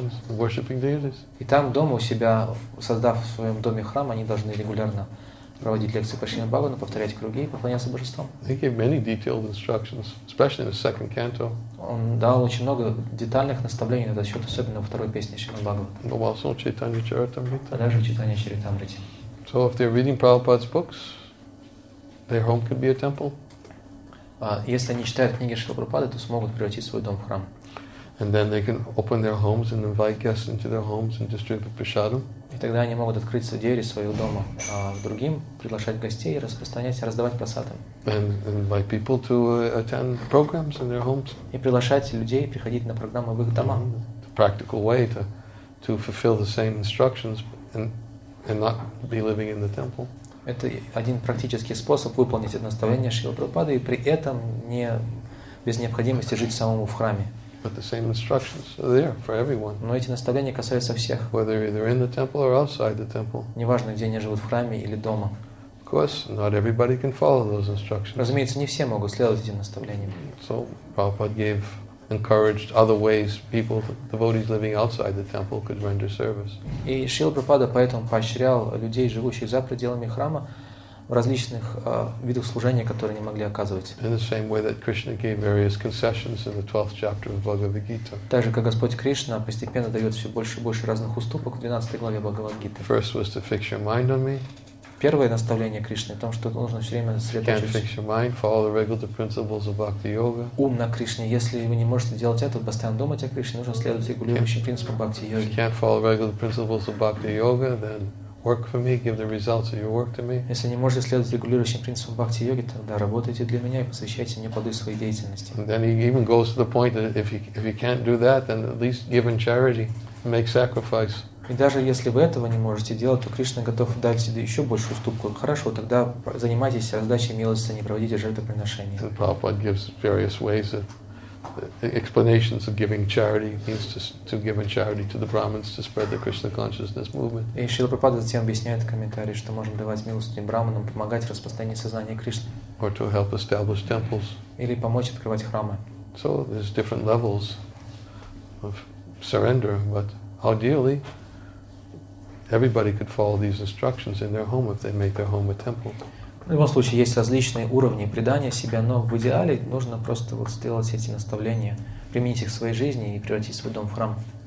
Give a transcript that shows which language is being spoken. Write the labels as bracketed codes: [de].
[ru] И там дома у себя, создав в своем доме храм, они должны регулярно проводить лекции по Шримад Бхагаватам, повторять круги и поклоняться божествам. Он дал очень много детальных наставлений на этот счет, особенно во второй песне Шримад Бхагаватам. Даже в Чайтанья Чаритамрите. [en] So if they're reading Prabhupada's books, their home could be a temple. [ru] Если они читают книги Шрилы Прабхупады, то смогут превратить свой дом в храм. [en] And then they can open their homes and invite guests into their homes and distribute prasadam. [ru] И тогда они могут открыть двери своего дома другим, приглашать гостей, распространять, раздавать прасадам. [en] Invite people to attend programs in their homes. [ru] И приглашать людей приходить на программы в их дома. [en] The practical way to fulfill the same instructions and not be living in the temple. [ru] Это один практический способ выполнить это наставление Шрилы Прабхупады и при этом не без необходимости жить самому в храме. [en] But the same instructions are there for everyone. [ru] Но эти наставления касаются всех. [en] Whether they're in the temple or outside the temple. [ru] Неважно, где они живут, в храме или дома. [en] Of course, not everybody can follow those instructions. [ru] Разумеется, не все могут следовать этим наставлениям. [en] So Prabhupada encouraged other ways people, devotees living outside the temple, could render service. [ru] И Шрила Прабхупада поэтому поощрял людей, живущих за пределами храма, в различных видах служения, которые они могли оказывать. Так же, как Господь Кришна постепенно дает все больше и больше разных уступок в 12 главе Бхагавад-гиты. Первое наставление Кришны в том, что нужно все время сосредоточиться. Ум на Кришне. Если вы не можете делать это, постоянно думать о Кришне, нужно следовать регулирующим принципам Бхакти-йоги. [en] If you can't follow regular principles of Bhakti-yoga, then work for me, give the results of your work to me. [ru] Если не можете следовать регулирующим принципам бхакти йоги, тогда работайте для меня и посвящайте мне плоды своей деятельности. [en] And then he even goes to the point that if you can't do that, then at least give in charity, make sacrifice. [ru] И даже если вы этого не можете делать, то Кришна готов дать тебе еще большую уступку. Хорошо, тогда занимайтесь раздачей милости, не проводите жертвоприношения. [en] The Prabhupada gives various ways of explanations of giving charity means to give in charity to the Brahmins to spread the Krishna consciousness movement. [ru] И Шрила Прабхупада затем объясняет в комментарии, что можно давать милостыню Брахманам, помогать распространению сознания Кришны. [en] Or to help establish temples. [ru] Или помочь открывать храмы. [en] So there's different levels of surrender, but ideally everybody could follow these instructions in their home if they make their home a temple. [ru] В любом случае, есть различные уровни предания себя, но в идеале нужно просто вот сделать эти наставления, применить их в своей жизни и превратить свой дом в храм.